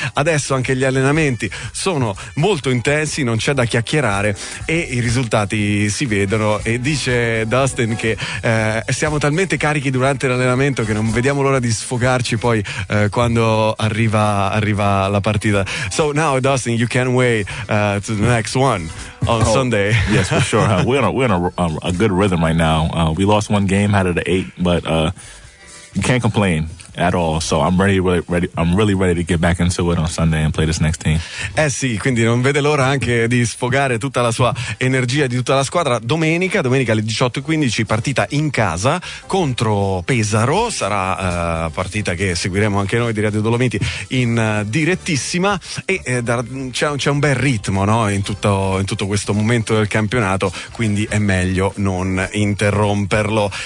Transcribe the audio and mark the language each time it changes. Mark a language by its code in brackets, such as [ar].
[it] Adesso anche gli allenamenti sono molto intensi, non c'è da chiacchierare e i risultati si vedono. E dice Dustin che siamo talmente carichi durante l'allenamento che non vediamo l'ora di sfogarci poi quando arriva la partita. [en] So now, Dustin, you can't wait to the next one on Sunday. Yes, for sure. We're on a good rhythm right now. We lost one game out of the 8, but you can't complain. at all. So I'm really ready. I'm really ready to get back into it on Sunday and play this next team. [it] Eh sì, quindi non vede l'ora anche di sfogare tutta la sua energia di tutta la squadra. Domenica alle 18:15 partita in casa contro Pesaro. Sarà partita che seguiremo anche noi di Radio Dolomiti in direttissima. E c'è un bel ritmo, no? In tutto questo momento del campionato, quindi è meglio non interromperlo.